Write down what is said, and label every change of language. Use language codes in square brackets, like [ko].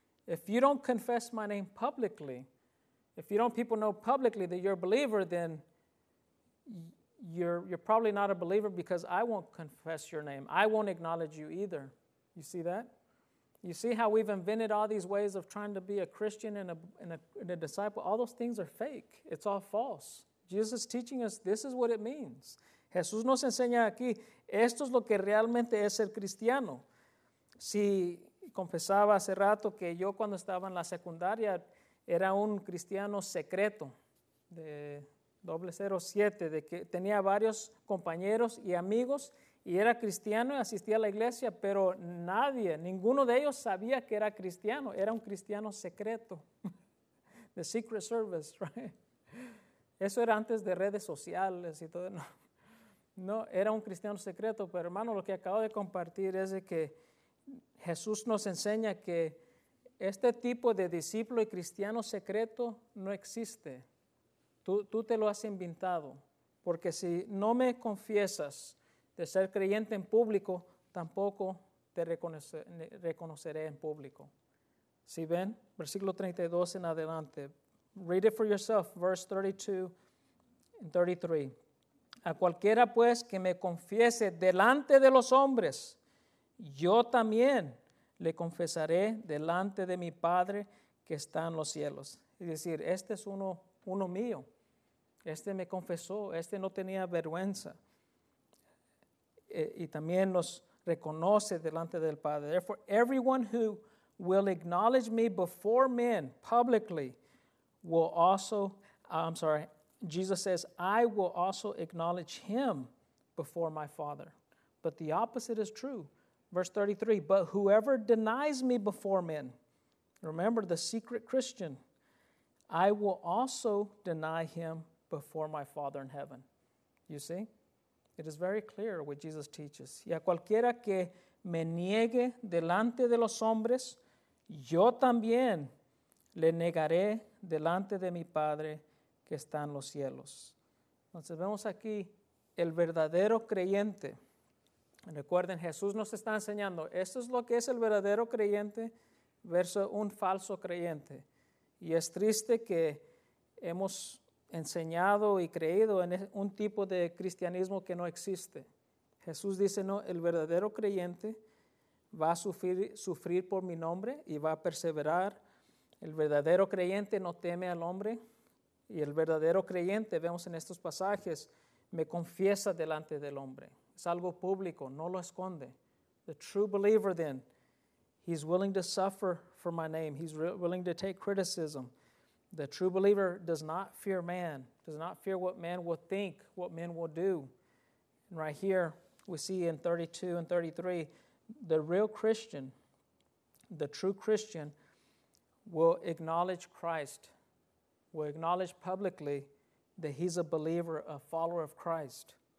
[en] If you don't confess my name publicly, if you don't people know publicly that you're a believer, then you're probably not a believer because I won't confess your name. I won't acknowledge you either. You see that? You see how we've invented all these ways of trying to be a Christian and a disciple? All those things are fake. It's all false. Jesus is teaching us this is what it means. [es] Jesús nos enseña aquí, esto es lo que realmente es ser cristiano. Si confesaba hace rato que yo cuando estaba en la secundaria era un cristiano secreto de 007, de que tenía varios compañeros y amigos y era cristiano y asistía a la iglesia, pero nadie, ninguno de ellos sabía que era cristiano. Era un cristiano secreto, [en] the secret service, right? [es] Eso era antes de redes sociales y todo, no, era un cristiano secreto, pero hermano, lo que acabo de compartir es de que Jesús nos enseña que este tipo de discípulo y cristiano secreto no existe. Tú te lo has inventado, porque si no me confiesas de ser creyente en público, tampoco te reconoceré en público. ¿Sí ven? Versículo 32 en adelante. [en] Read it for yourself, verse 32 and 33. [es] A cualquiera pues que me confiese delante de los hombres, yo también le confesaré delante de mi Padre que está en los cielos. Es decir, este es uno mío. Este me confesó, este no tenía vergüenza. Y también nos reconoce delante del Padre. [en] Therefore, everyone who will acknowledge me before men publicly will also, I'm sorry, Jesus says, I will also acknowledge him before my Father. But the opposite is true. Verse 33, but whoever denies me before men, remember the secret Christian, I will also deny him before my Father in heaven. You see? It is very clear what Jesus teaches. [es] Y a cualquiera que me niegue delante de los hombres, yo también le negaré delante de mi Padre que está en los cielos. Entonces vemos aquí el verdadero creyente. Recuerden, Jesús nos está enseñando, esto es lo que es el verdadero creyente versus un falso creyente. Y es triste que hemos enseñado y creído en un tipo de cristianismo que no existe. Jesús dice, no, el verdadero creyente va a sufrir por mi nombre y va a perseverar. El verdadero creyente no teme al hombre. Y el verdadero creyente, vemos en estos pasajes, me confiesa delante del hombre. Es algo público, no lo esconde. [en] The true believer then, he's willing to suffer for my name. He's willing to take criticism. The true believer does not fear man, does not fear what man will think, what men will do. And right here, we see in 32 and 33, the real Christian, the true Christian, will acknowledge Christ, will acknowledge publicly that he's a believer, a follower of Christ.